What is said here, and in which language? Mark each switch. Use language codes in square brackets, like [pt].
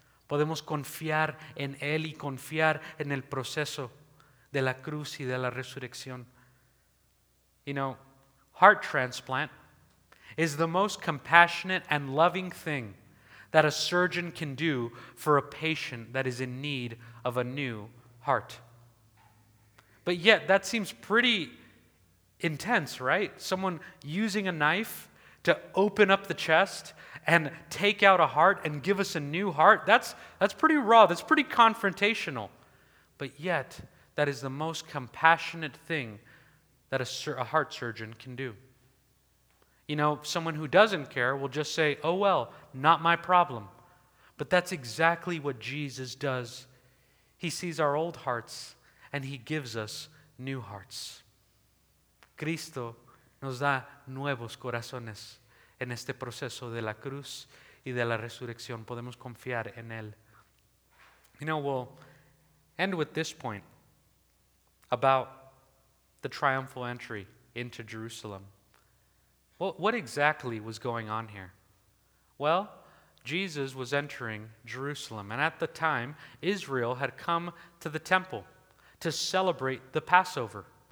[es] Podemos confiar en él y confiar en el proceso de la cruz y de la resurrección. [en] You know, heart transplant is the most compassionate and loving thing that a surgeon can do for a patient that is in need of a new heart. But yet, that seems pretty intense, right? Someone using a knife to open up the chest and take out a heart and give us a new heart, that's pretty raw, that's pretty confrontational. But yet, that is the most compassionate thing that a heart surgeon can do. You know, someone who doesn't care will just say, oh well, not my problem. But that's exactly what Jesus does. He sees our old hearts and he gives us new hearts. [es] Cristo nos da nuevos corazones en este proceso de la cruz y de la resurrección. Podemos confiar en él. [en] You know, we'll end with this point about the triumphal entry into Jerusalem. Well, what exactly was going on here? Well, Jesus was entering Jerusalem, and at the time, Israel had come to the temple to celebrate the Passover.